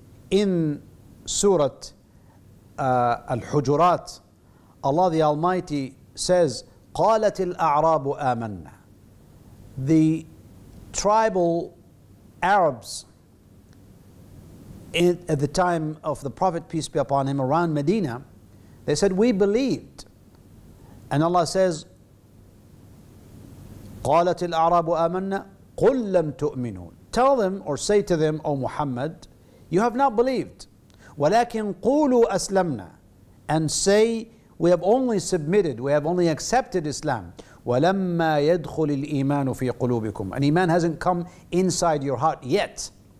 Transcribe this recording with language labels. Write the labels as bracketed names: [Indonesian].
[English] In Surah Al-Hujurat, Allah the Almighty says, [Arabic] قالت الأعراب آمنا. [English] The tribal Arabs at the time of the Prophet, peace be upon him, around Medina, they said, we believed. And Allah says, [Arabic] قالت الأعراب آمنا قل لم تؤمنوا. [English] Tell them or say to them, O Muhammad, you have not believed. [Arabic] وَلَكِنْ قُولُوا أَسْلَمْنَا, [English] and say, we have only submitted, we have only accepted Islam. [Arabic] وَلَمَّا يَدْخُلِ الْإِيمَانُ فِي قُلُوبِكُمْ, [English] and iman hasn't come inside your heart yet.